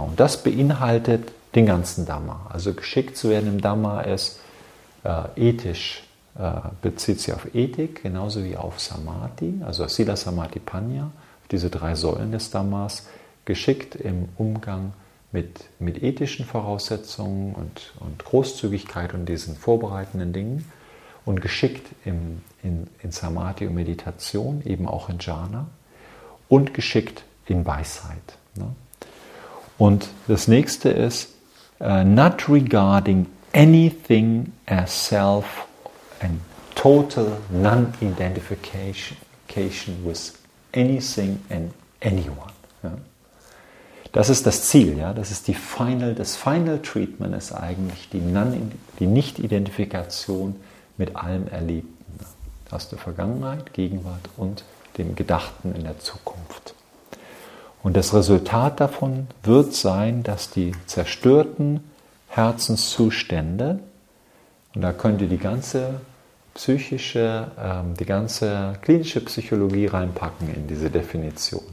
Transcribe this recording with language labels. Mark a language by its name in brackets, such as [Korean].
[German] Und das beinhaltet den ganzen Dhamma. Also geschickt zu werden im Dhamma ist ethisch, bezieht sich auf Ethik, genauso wie auf Samadhi, also Sila Samadhi Panya, diese 3 Säulen des Dhammas, geschickt im Umgang mit ethischen Voraussetzungen und Großzügigkeit und diesen vorbereitenden Dingen und geschickt in Samadhi und Meditation, eben auch in Jhana und geschickt in Weisheit. Ne? [English] Und das nächste ist, not regarding anything as self and total non-identification with anything and anyone. [German] Das ist das Ziel, ja. Das ist das Final Treatment ist eigentlich die Nicht-Identifikation mit allem Erlebten aus der Vergangenheit, Gegenwart und dem Gedachten in der Zukunft. Und das Resultat davon wird sein, dass die zerstörten Herzenszustände, und da könnt ihr die ganze klinische Psychologie reinpacken in diese Definition.